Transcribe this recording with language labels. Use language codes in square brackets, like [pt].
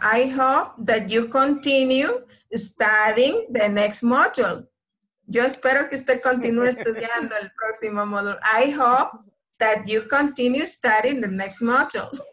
[en] I hope that you continue studying the next module. [es] Yo espero que usted continúe estudiando el próximo módulo. [en] I hope that you continue studying the next module.